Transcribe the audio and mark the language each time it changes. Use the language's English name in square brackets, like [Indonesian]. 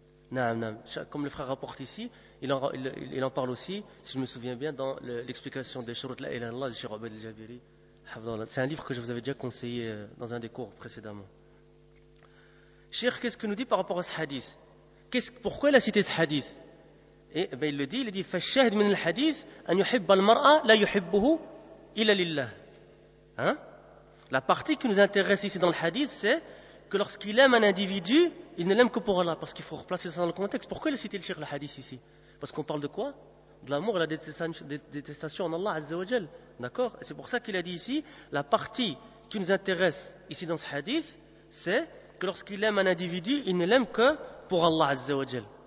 [French] Naam. Comme le frère rapporte ici, il en parle aussi, si je me souviens bien, dans l'explication des shurouh la ilaha illallah, Cheikh Abdel Jabiri. C'est un livre que je vous avais déjà conseillé dans un des cours précédemment. Cheikh, qu'est-ce que nous dit par rapport à ce hadith ? Pourquoi il a cité ce hadith ? Il dit [Arabic] فَالشَّهِدْ مِنَ الْحَدِيثِ أَنْ يُحِبَّ الْمَرْأَ لَا يُحِبُّهُ إِلَّا لِلَّهِ. [French] La partie qui nous intéresse ici dans le hadith, c'est que lorsqu'il aime un individu, il ne l'aime que pour Allah. Parce qu'il faut replacer ça dans le contexte. Pourquoi il a cité le Cheikh le hadith ici ? Parce qu'on parle de quoi ? De l'amour et la détestation en Allah Azza wa Jal. D'accord ? C'est pour ça qu'il a dit ici, la partie qui nous intéresse ici dans ce hadith, c'est que lorsqu'il aime un individu, il ne l'aime que pour Allah Azza wa Jal.